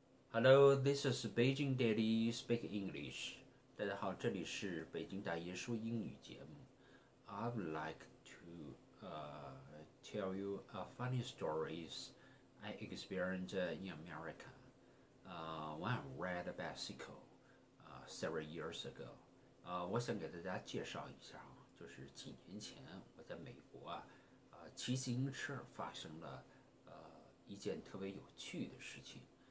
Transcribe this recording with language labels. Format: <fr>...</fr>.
<en>Hello, this is Beijing Daily Speak English.</en> <zh>大家好，这里是北京大爷说英语节目。</zh> <en>I would like to tell you a funny stories I experienced in America when I ride a bicycle several years ago.</en> <zh>我想给大家介绍一下，就是几年前我在美国骑自行车发生了一件特别有趣的事情。</zh>